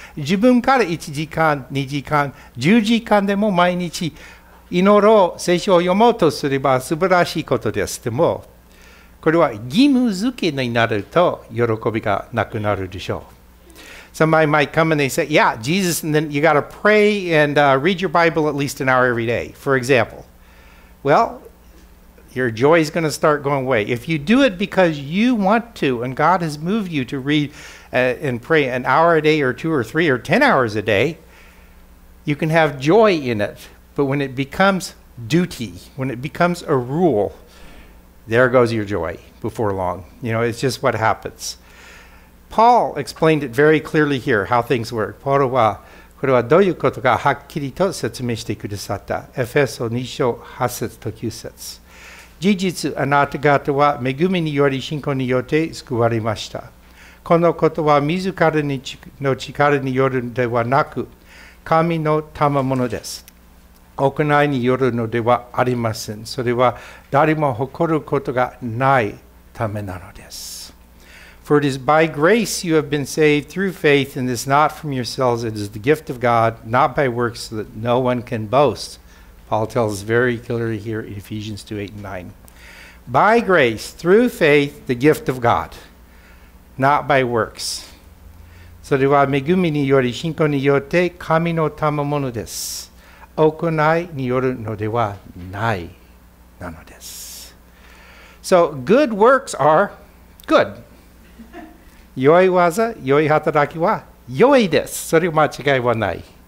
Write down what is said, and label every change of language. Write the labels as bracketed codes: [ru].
[ja] 自分から1時間、2時間、10時間でも毎日祈ろう、聖書を読もうとすれば素晴らしいことです。でもこれは義務付けになると喜びがなくなるでしょう。 [en] Somebody might come and they say, yeah, Jesus, and then you got to pray and read your Bible at least an hour every day, for example. Well, your joy is going to start going away. If you do it because you want to and God has moved you to read and pray an hour a day or two or three or 10 hours a day, you can have joy in it. But when it becomes duty, when it becomes a rule, there goes your joy before long. You know, it's just what happens. Paul explained it very clearly here, how things work. [ja] Paul は、これはどういうことかはっきりと説明してくださった。エフェソ2章8節と9節。事実、あなた方は恵みにより信仰によって救われました。このことは自らの力によるのではなく、神の賜物です。行いによるのではありません。それは誰も誇ることがないためなのです。 [en] For it is by grace you have been saved through faith, and it's not from yourselves, it is the gift of God, not by works, so that no one can boast. Paul tells very clearly here in Ephesians 2, 8 and 9. By grace, through faith, the gift of God, not by works. [ja] それは恵みにより信仰によって神の賜物です。行いによるのではないなのです。 [en] So good works are good. [ja] 良い技、良い働きは良いです。それは間違いはない。